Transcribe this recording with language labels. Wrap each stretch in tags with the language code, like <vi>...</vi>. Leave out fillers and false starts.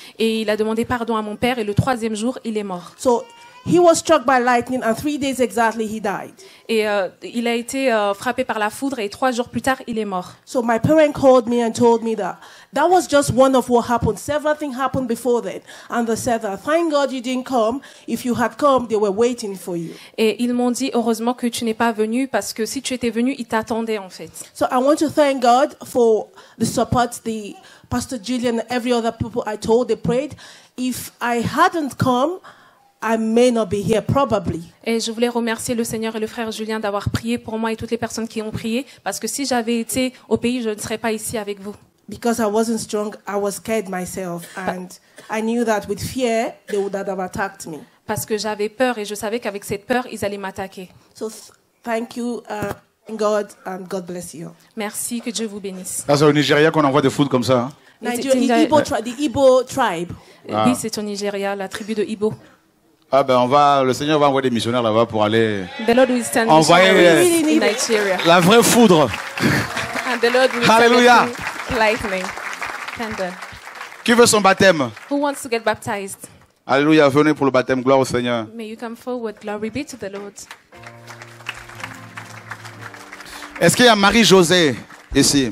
<fr>Et il a demandé pardon à mon père, et le 3e jour, il est mort.</fr> <en>So he was struck by lightning, and 3 days exactly he died.</en> <fr>Et il a été frappé par la foudre, et 3 jours plus tard, il est mort.</fr> <en>So my parents called me and told me that was just one of what happened. Several things happened before then, and they said that thank God you didn't come. If you had come, they were waiting for you.</en> <fr>Et ils m'ont dit heureusement que tu n'es pas venu parce que si tu étais venu, ils t'attendaient en fait.</fr> <en>So I want to thank God for the support, the Pastor Julian, and every other people I told, they prayed. If I hadn't come, I may not be here, probably.</en> <fr>Et je voulais remercier le Seigneur et le frère Julien d'avoir prié pour moi et toutes les personnes qui ont prié, parce que si j'avais été au pays, je ne serais pas ici avec vous.</fr> <en>Because I wasn't strong, I was scared myself, and I knew that with fear they would have attacked me.</en> <fr>Parce que j'avais peur et je savais qu'avec cette peur, ils allaient m'attaquer.</fr> <en>So thank you, God, and God bless you.</en> <fr>Merci, que Dieu vous bénisse. Ah, c'est au Nigeria qu'on envoie des foudres comme ça.</fr> <en>The Igbo tribe.</en> <fr>Ah. Oui, c'est au Nigeria, la tribu de Igbo. Ah ben on va, le Seigneur va envoyer des missionnaires là-bas pour aller</fr> <en>the Lord will stand</en> <fr>envoyer</fr> <en>in Nigeria.</en> <fr>La vraie foudre.</fr> <en>And the Lord will Hallelujah. Lightning, thunder.</en> <fr>Qui veut son baptême?</fr> <en>Who wants to get baptized?</en> <fr>Alléluia, venez pour le baptême, gloire au Seigneur.</fr> <en>May you come forward, glory be to the Lord.</en> <fr>Est-ce qu'il y a Marie-José ici?</fr>